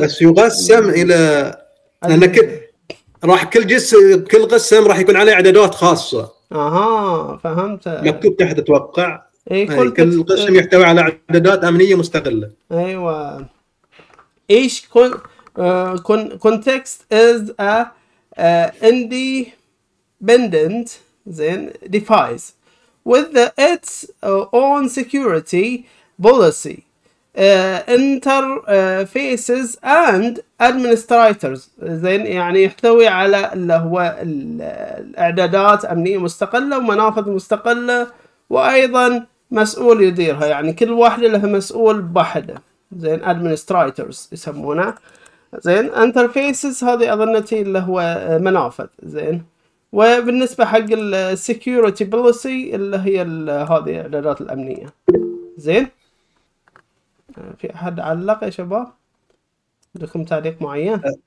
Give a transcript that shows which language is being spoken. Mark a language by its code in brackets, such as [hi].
[ar] بس يقسم إلى لأنك راح كل جس كل قسم راح يكون عليه إعدادات خاصة. فهمت. مكتوب تحت أتوقع. كل قسم يحتوي على إعدادات أمنية مستقلة. أيوة. [en] إيش كل context is a independent then device with its own security policy, interfaces and administrators. [ar] then يعني يحتوي على اللي هو الإعدادات أمنية مستقلة ومنافذ مستقلة وأيضا مسؤول يديرها. يعني كل واحدة لها مسؤول بحده. then administrators يسمونه. زين انترفيسز هذه اظنتي اللي هو منافذ. زين وبالنسبه حق السكيورتي بوليسي اللي هي هذه الاعدادات الامنيه. زين في احد علق يا شباب عندكم تعليق معين؟